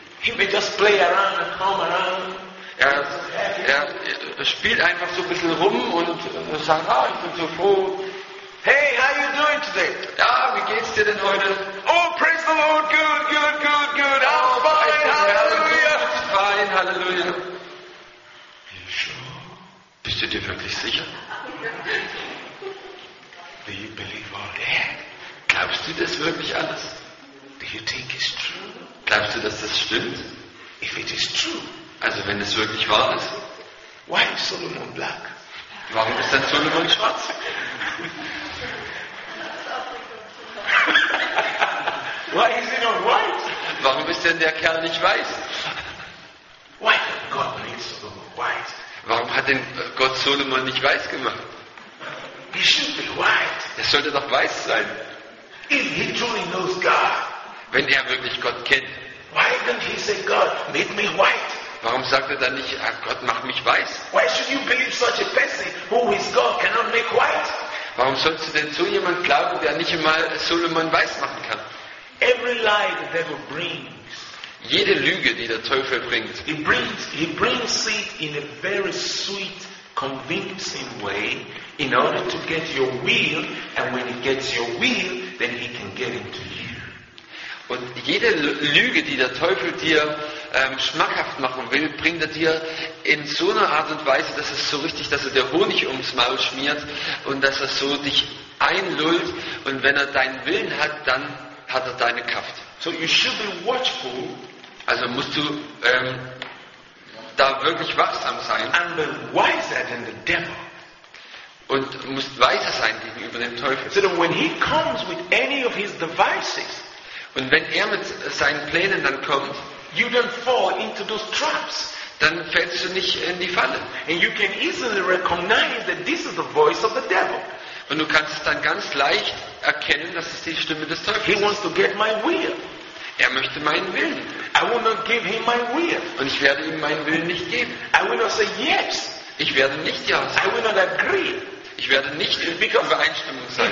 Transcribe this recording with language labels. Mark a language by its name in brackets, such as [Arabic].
[English] He may just play around and come around. [German] Er spielt einfach so ein bisschen rum und sagt, ah, ich bin so froh. [English] Hey, how you doing today? [German] Ja, wie geht's dir denn heute? [English] Oh, praise the Lord, good, good, good, good. I'm oh, fine, hallelujah. Fine, hallelujah. Sure? [German] Bist du dir wirklich sicher? [English] Do you believe all that? [German] Glaubst du das wirklich alles? [English] Do you think it's true? [German] Glaubst du, dass das stimmt? [English] If it is true, [German] also wenn es wirklich wahr ist, [English] why is Solomon black? [German] Warum ist denn Solomon schwarz? [English] Why is he not white? [German] Warum ist denn der Kerl nicht weiß? [English] Why did God make Solomon white? [German] Warum hat denn Gott Solomon nicht weiß gemacht? [English] He should be white. [German] Er sollte doch weiß sein. [English] If he truly knows God, [German] wenn er wirklich Gott kennt, [English] why didn't he say, God, make me white? [German] Warum sagt er dann nicht, ah, Gott, mach mich weiß? [English] Why should you believe such a person who is God cannot make white? [German] Warum sollst du denn so jemand glauben, der nicht einmal Solomon weiß machen kann? [English] Every lie the devil brings, [German] jede Lüge, die der Teufel bringt, [English] he brings it in a very sweet, convincing way, in order to get your will, and when he gets your will, then he can get into you. [German] Und jede Lüge, die der Teufel dir schmackhaft machen will, bringt er dir in so einer Art und Weise, dass es so richtig, dass er dir Honig ums Maul schmiert und dass er so dich einlullt. Und wenn er deinen Willen hat, dann hat er deine Kraft. [English] So you should be watchful. [German] Also musst du da wirklich wachsam sein. [English] And be wiser than the devil. [German] Und musst weiser sein gegenüber dem Teufel. [English] So that when he comes with any of his devices, [German] und wenn er mit seinen Plänen dann kommt, [English] you don't fall into those traps. [German] Dann fällst du nicht in die Falle. [English] And you can easily recognize that this is the voice of the devil. [German] Und du kannst es dann ganz leicht erkennen, dass es die Stimme des Teufels ist. [English] He wants to get my will. [German] Er möchte meinen Willen. [English] I will not give him my will. [German] Und ich werde ihm meinen Willen nicht geben. [English] I will not say yes. [German] Ich werde nicht ja sagen. [English] I will not agree. [German] Ich werde nicht in Übereinstimmung sein.